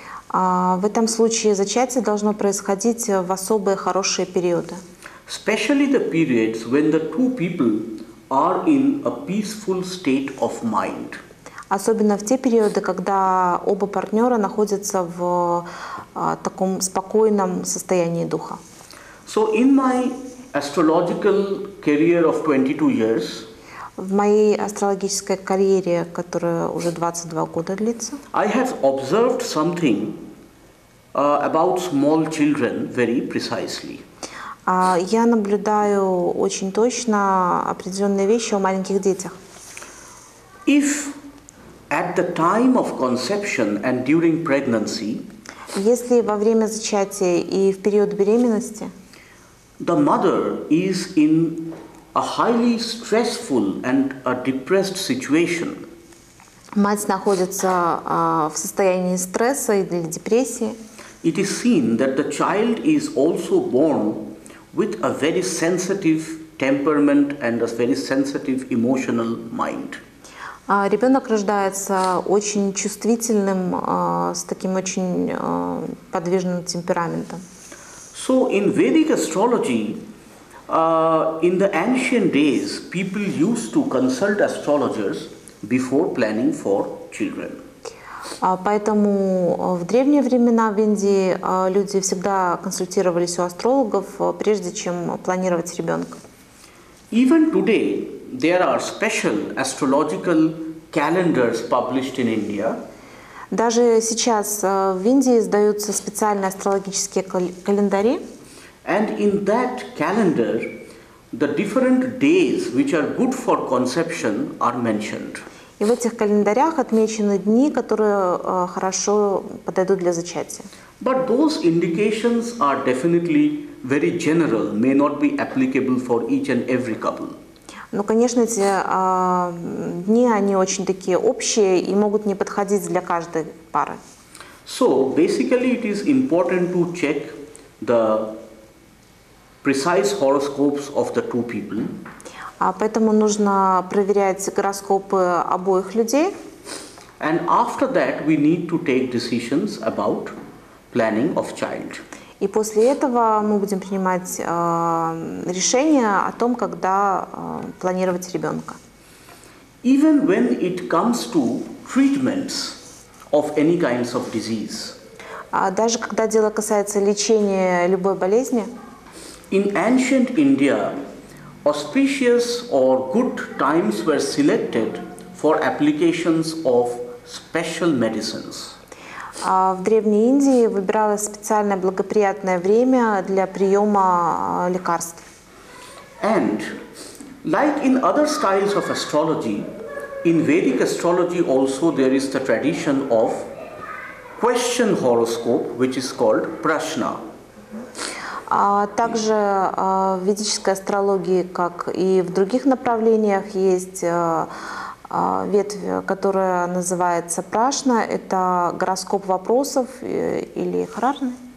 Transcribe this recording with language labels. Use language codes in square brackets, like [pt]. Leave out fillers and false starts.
[ru] В этом случае зачатие должно происходить в особые хорошие периоды. [en] Especially the periods when the two people are in a peaceful state of mind. [ru] Особенно в те периоды, когда оба партнера находятся в таком спокойном состоянии духа. [en] So in my astrological career of 22 years, [ru] в моей астрологической карьере, которая уже 22 года длится, [en] I have observed something about small children very precisely. [ru] Я наблюдаю очень точно определенные вещи о маленьких детях. [en] If at the time of conception and during pregnancy, [ru] если во время зачатия и в период беременности, [en] the mother is in a highly stressful and a depressed situation. [ru] Мать находится в состоянии стресса или депрессии. [en] It is seen that the child is also born with a very sensitive temperament and a very sensitive emotional mind. [ru] Ребенок рождается очень чувствительным, с таким очень подвижным темпераментом. [en] So in Vedic astrology, in the ancient days, people used to consult astrologers before planning for children. [ru] Поэтому в древние времена в Индии люди всегда консультировались у астрологов, прежде чем планировать ребенка. [en] Even today, there are special astrological calendars published in India. [ru] Даже сейчас в Индии издаются специальные астрологические календари. [en] And in that calendar, the different days which are good for conception are mentioned. [ru] И в этих календарях отмечены дни, которые хорошо подойдут для зачатия. [en] But those indications are definitely very general, may not be applicable for each and every couple. [ru] Но, конечно, эти дни, они очень такие общие и могут не подходить для каждой пары. [en] So, basically, it is important to check the precise horoscopes of the two people. [ru] Поэтому нужно проверять гороскопы обоих людей. [en] And after that, we need to take decisions about planning of child. [ru] И после этого мы будем принимать решение о том, когда планировать ребенка. [en] Even when it comes to treatments of any kinds of disease. [ru] Даже когда дело касается лечения любой болезни. [en] In ancient India, auspicious or good times were selected for applications of special medicines. [ru] В Древней Индии выбиралось специальное благоприятное время для приема лекарств. [en] And, like in other styles of astrology, in Vedic astrology also there is the tradition of question horoscope, which is called Prashna. [ru] Также в ведической астрологии, как и в других направлениях, есть ветвь, которая называется Прашна. Это гороскоп вопросов или Харарны.